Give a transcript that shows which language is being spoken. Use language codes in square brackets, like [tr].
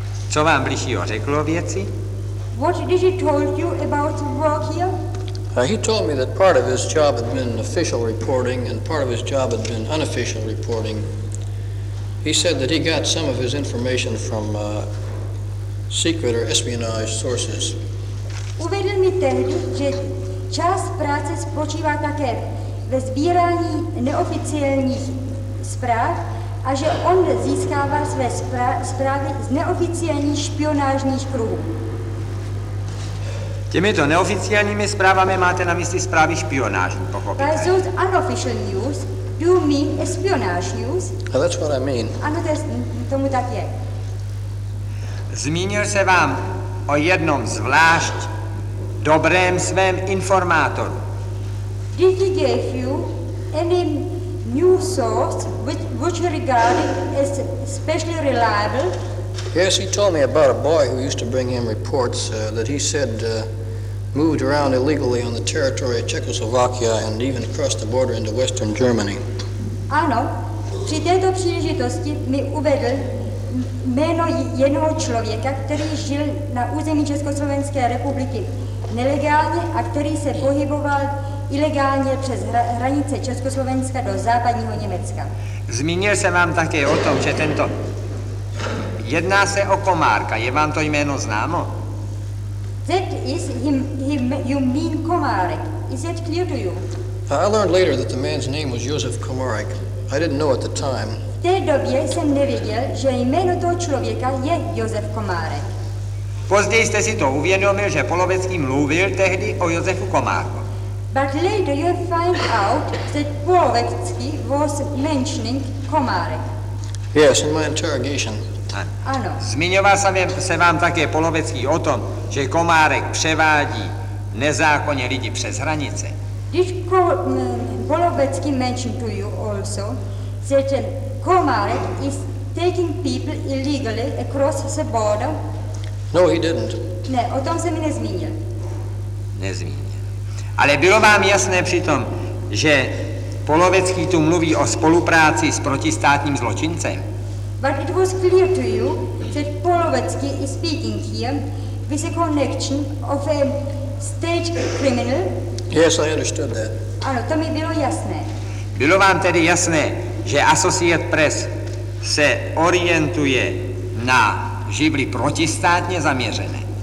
[cs] Co vám bližšího řeklo věci? [en] What did he told you about work here? He told me that part of his job had been official reporting and part of his job had been unofficial reporting. He said that he got some of his information from secret or espionage sources. [cs] Uvedl mi tehdy, že část práce spočívá také ve sbírání neoficiálních zpráv a že on získává své zprávy z neoficiálních špionážních kruhů. Těmito neoficiálními zprávami máte na mysli zprávy špionážní, pochopitelně. [en] By those unofficial news, do you mean espionage news? That's what I mean. [cs] Ano, to tomu tak je. Zmínil se vám o jednom zvlášť dobrém svém informátoru. [en] Did he give you any new source which you regarded as especially reliable? Yes, he told me about a boy who used to bring him reports that he said moved around illegally on the territory of Czechoslovakia and even crossed the border into western Germany. [cs] Ano, při této příležitosti mi uvedl jméno jednoho člověka, který žil na území Československé republiky nelegálně a který se pohyboval ilegálně přes hranice Československa do západního Německa. Zmínil jsem vám také o tom, že tento... Jedná se o Komárka, je vám to jméno známo? [en] That is him, you mean Komárek. Is that clear to you? I learned later that the man's name was Josef Komárek. I didn't know at the time. [cs] V té době jsem nevěděl, že jméno toho člověka je Josef Komárek. Později jste si to uvědomil, že Polovecký mluvil tehdy o Josefu Komárku. [en] But later you find out that Polovecký was mentioning Komárek. Yes, in my interrogation. [cs] Ano. Zmiňoval se vám také Polovecký o tom, že Komárek převádí nezákonně lidi přes hranice. [en] Did Polovecký mention to you also that Komárek is taking people illegally across the border? No, he didn't. [cs] Ne, o tom se mi nezmínil. Nezmínil. Ale bylo vám jasné přitom, že Polovecký tu mluví o spolupráci s protistátním zločincem? [en] But it was clear to you that Polovecký is speaking here with a connection of a state criminal? Yes, I understood that. [cs] Ano, to mi bylo jasné. Bylo vám tedy jasné, že Associated Press se orientuje na živly protistátně zaměřené?